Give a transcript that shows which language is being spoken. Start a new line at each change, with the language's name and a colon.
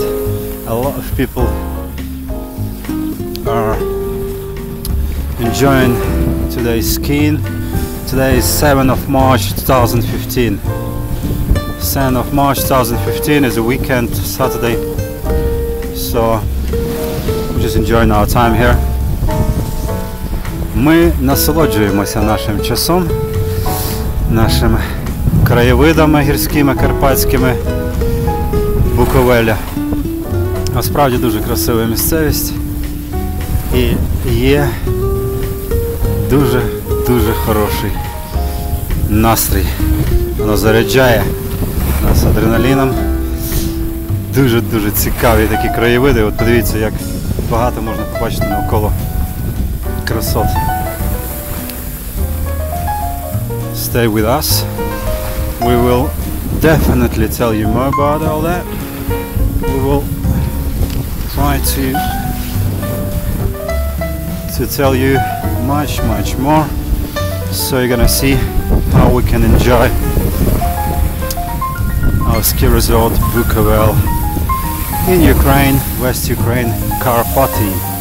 English: A lot of people are enjoying today's skiing. Today is 7th of March 2015 is a weekend, Saturday, so we're just enjoying our time here.
Ukrainian: Ми насолоджуємося нашим часом, нашими краєвидами гірськими, карпатськими, Буковеля. Насправді дуже красива місцевість і є дуже-дуже хороший настрій. Воно заряджає нас адреналіном. Дуже-дуже цікаві такі краєвиди. От подивіться, як багато можна побачити навколо красот.
English: Stay with us. We will definitely tell you more about all that. We will try to tell you much more, so you're gonna see how we can enjoy our ski resort Bukovel in Ukraine, West Ukraine, Karpaty.